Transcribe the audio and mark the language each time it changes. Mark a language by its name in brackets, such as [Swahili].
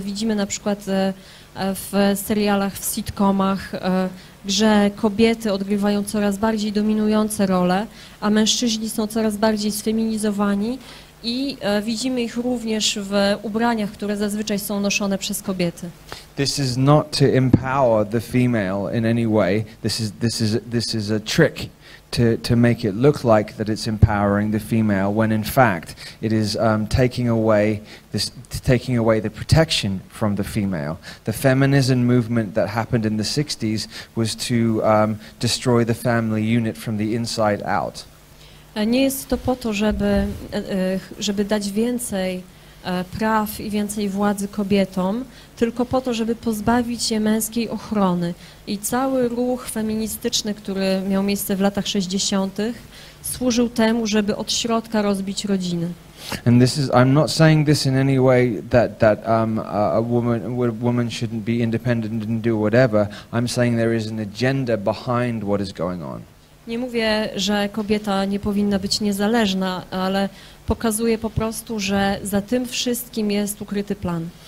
[Polish] Widzimy na przykład w serialach, w sitcomach, że kobiety odgrywają coraz bardziej dominujące role, a mężczyźni są coraz bardziej sfeminizowani i widzimy ich również w ubraniach, które zazwyczaj są noszone przez kobiety. [English] This is not to empower the female in any way. This is a trick to make it look like that it's empowering the female when in fact it is taking away the protection from the female. The feminism movement that happened in the 60s was to destroy the family unit from the inside out. [Polish] Nie jest to po to, żeby dać więcej praw i więcej władzy kobietom, tylko po to, żeby pozbawić je męskiej ochrony. I cały ruch feministyczny, który miał miejsce w latach 60., służył temu, żeby od środka rozbić rodziny. [English] And this is, I'm not saying this in any way that a woman shouldn't be independent and do whatever. I'm saying there is an agenda behind what is going on. [Polish] Nie mówię, że kobieta nie powinna być niezależna, ale pokazuje po prostu, że za tym wszystkim jest ukryty plan.